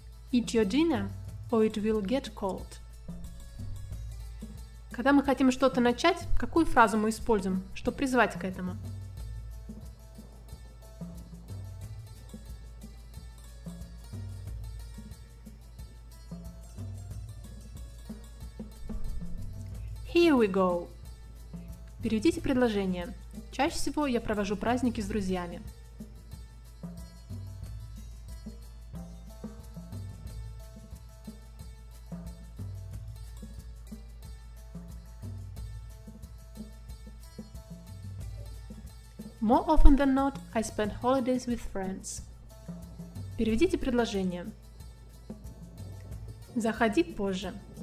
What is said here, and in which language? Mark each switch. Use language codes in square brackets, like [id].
[en] Eat your dinner, or it will get cold. [ru] Когда мы хотим что-то начать, какую фразу мы используем, чтобы призвать к этому? [en] Here we go. [ru] Переведите предложение. Чаще всего я провожу праздники с друзьями. [en] More often than not, I spend holidays with friends. [ru] Переведите предложение. Заходи позже.